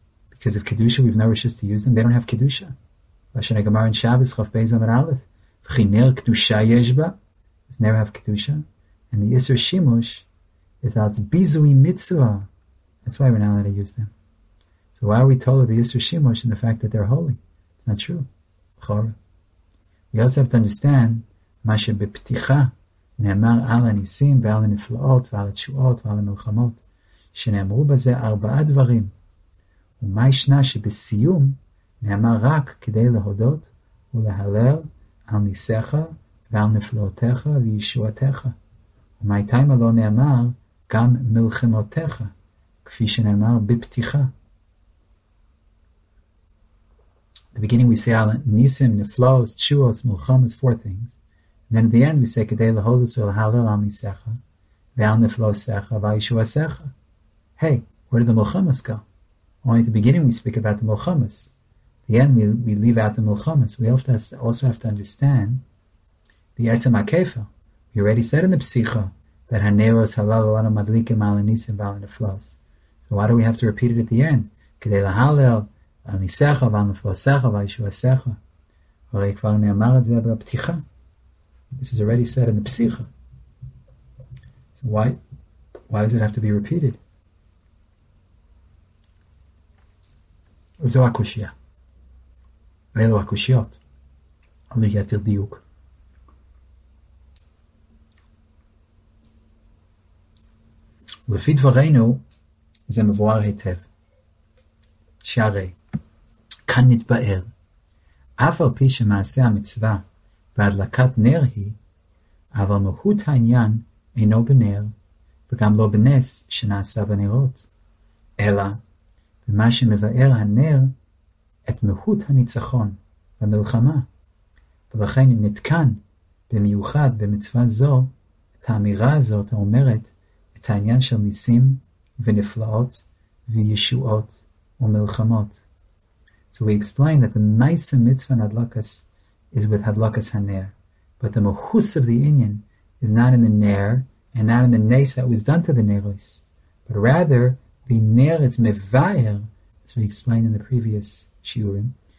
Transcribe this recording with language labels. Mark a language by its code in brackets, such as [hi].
[en] Because of Kedusha, we've no rishus to use them. They don't have Kedusha. Lashon HaGemara and Shabbos, Chof Beis Amar Aleph. V'chi Ner Kedusha Yeshba, does never have Kedusha. And the Isser Shimush is that it's Bizui Mitzvah. That's why we're not allowed to use them. So why are we told of the Isser Shimush and the fact that they're holy? It's not true. Chora. You also have to understand, [he] מה שבפתיחה נאמר על הניסים ועל הנפלאות ועל התשועות ועל המלחמות, שנאמרו בזה ארבעה דברים. ומה ישנה שבסיום נאמר רק כדי להודות ולהלל על ניסיך ועל נפלאותיך וישועתיך. ומה איתה לא נאמר גם מלחמותיך, כפי שנאמר בפתיחה. [en] The beginning we say Allah Nisim, Niflos, Chuos, Mulchamas, four things. And then at the end we say Kedei Lahodus or Lahalel Al Nisecha, Ve'al Niflos Secha, Va'yishua Secha. Hey, where did the Mulchamas go? Only at the beginning we speak about the Mulchamas. At the end we leave out the Mulchamas. We also have to understand the Etzem HaKefel. We already said in the Psicha that Haneros Halal Olana Madlikim Al Nisim Ve'al Niflos. So why do we have to repeat it at the end? [he] Kedei Lahalel על ניסך ועל נפלוסך ועל ישועסך. הרי כבר נאמר את זה בפתיחה. [en] This is already said in the פסיכה. So why does it have to be repeated? [he] זו הקושיה. אלו הקושיות. ליתר דיוק. לפי דברינו, זה מבואר היטב. שערי. כאן נתבאר, אף על פי שמעשה המצווה והדלקת נר היא, אבל מהות העניין אינו בנר, וגם לא בנס שנעשה בנרות, אלא במה שמבאר הנר את מהות הניצחון במלחמה, ולכן נתקן במיוחד במצווה זו את האמירה הזאת האומרת את העניין של ניסים ונפלאות וישועות ומלחמות. [en] So we explain that the Maisa Mitzvah Nadlakas is with Hadlakas HaNer. But the Mahus of the Inyan is not in the Ner and not in the Nes that was done to the Neris. But rather, the Ner is Mevayer, as we explained in the previous Shiurim.